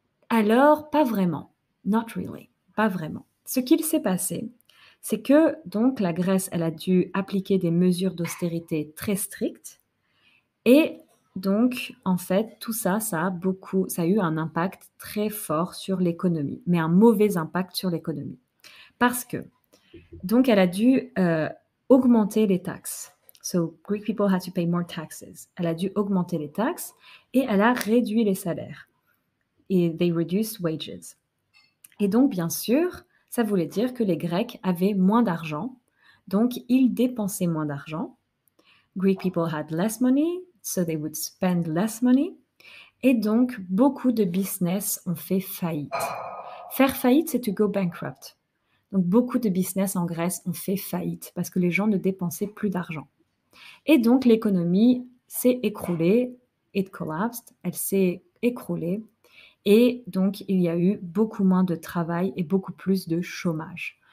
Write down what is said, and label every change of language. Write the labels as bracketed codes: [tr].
[fr] Alors, pas vraiment. [en] Not really. [fr] Pas vraiment. Ce qu'il s'est passé, c'est que donc la Grèce, elle a dû appliquer des mesures d'austérité très strictes et donc, en fait, tout ça, ça a eu un impact très fort sur l'économie, mais un mauvais impact sur l'économie. Parce que, donc, elle a dû augmenter les taxes. [en] So, Greek people had to pay more taxes. [fr] Elle a dû augmenter les taxes et elle a réduit les salaires. Et [en] they reduced wages. [fr] Et donc, bien sûr, ça voulait dire que les Grecs avaient moins d'argent. Donc, ils dépensaient moins d'argent. [en] Greek people had less money. So they would spend less money. [fr] Et donc, beaucoup de business ont fait faillite. Faire faillite, c'est [en] to go bankrupt. [fr] Donc, beaucoup de business en Grèce ont fait faillite parce que les gens ne dépensaient plus d'argent. Et donc, l'économie s'est écroulée. [en] It collapsed. [fr] Elle s'est écroulée. Et donc, il y a eu beaucoup moins de travail et beaucoup plus de chômage.